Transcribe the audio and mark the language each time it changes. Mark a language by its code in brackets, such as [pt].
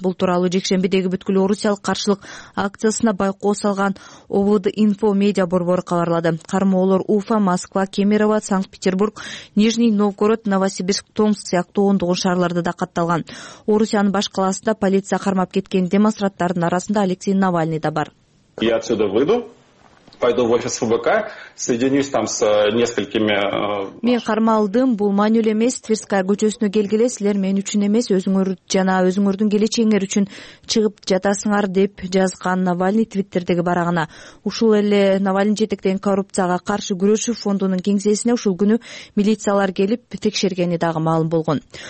[ky] Бул тууралуу жекшембидеги бүткүл орусиялык каршылык акциясына байкоо салган ОВД Инфо медиа борбору кабарлады. Кармоолор Уфа, Москва, Кемерово, Санкт-Петербург, Нижний Новгород, Новосибирск, Томск сыяктуу ондогон шаарларда да катталган. Орусиянын баш калаасында полиция кармап кеткен демонстранттардын арасында Алексей Навальный да бар. [ru] Я отсюда выйду. Пойду в офис ФБК, соединюсь там с несколькими... [ky] Мен кармалдым, бул маанилүү эмес, Тверская көчөсүнө келгиле, силер мен үчүн эмес, өзүңөр жана өзүңөрдүн келечегиңер үчүн чыгып жатасыңар деп жазган Навальный Твиттердеги барагына. Ушул эле Навальный жетектеген коррупцияга каршы күрөшүү фондунун кеңсесине ушул күнү милициялар келип текшергени дагы маалым болгон.